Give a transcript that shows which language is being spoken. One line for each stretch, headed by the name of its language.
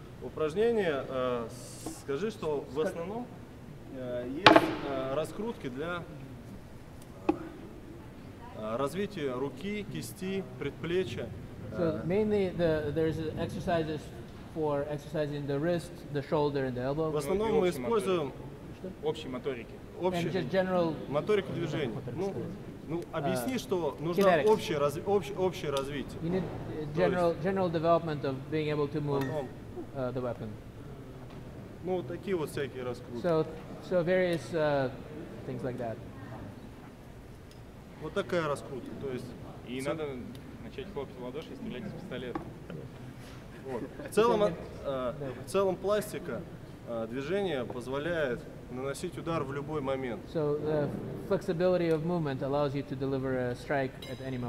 Russian: Упражнения, скажи, что в основном есть раскрутки для развития руки, кисти, предплечья.
English: So mainly there's exercises for exercising the wrist, the shoulder and the elbow.
Russian: В основном мы используем общие моторики. Общую
English: general...
Russian: моторику движения. Ну, объясни, что нужно общее развитие.
English: You need general development of being able to move the weapon.
Russian: Ну, вот такие вот всякие раскрутки.
English: So various things like that.
Russian: Вот такая раскрутка, то есть... И надо начать хлопать в ладоши и стрелять из пистолета. Вот. В целом пластика движения позволяет наносить удар в любой момент.
English: So the flexibility of movement allows you to deliver a strike at any moment.